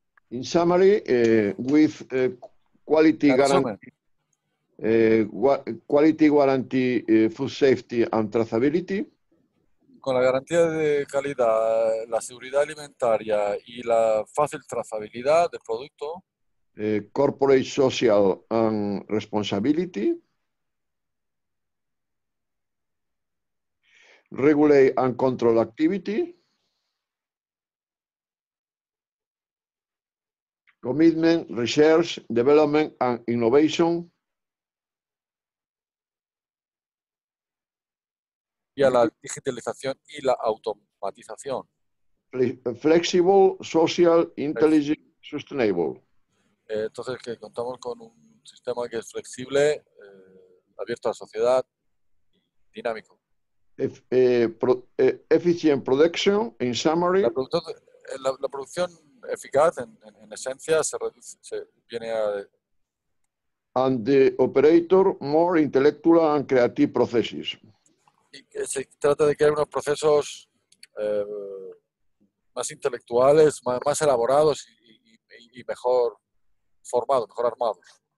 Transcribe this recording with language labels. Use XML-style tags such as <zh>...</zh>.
<en>In summary, with quality guarantee, quality guarantee, food safety and traceability.</en> <es>Con la garantía de calidad, la seguridad alimentaria y la fácil trazabilidad del producto.</es> <en>Corporate social and responsibility. Regulate and control activity. Commitment, research, development and innovation.</en> <es>Y a la digitalización y la automatización.</es> <en>Flexible, social, intelligent, sustainable.</en> <es>Entonces, que contamos con un sistema que es flexible, abierto a la sociedad, dinámico.</es> <en>Efficient production, in summary.</en> <es>La producción eficaz, en esencia, se reduce, se viene a...</es> <en>And the operator, more intellectual and creative processes.</en> <es>Se trata de crear unos procesos más intelectuales, más elaborados y mejor formados, mejor armados.</es>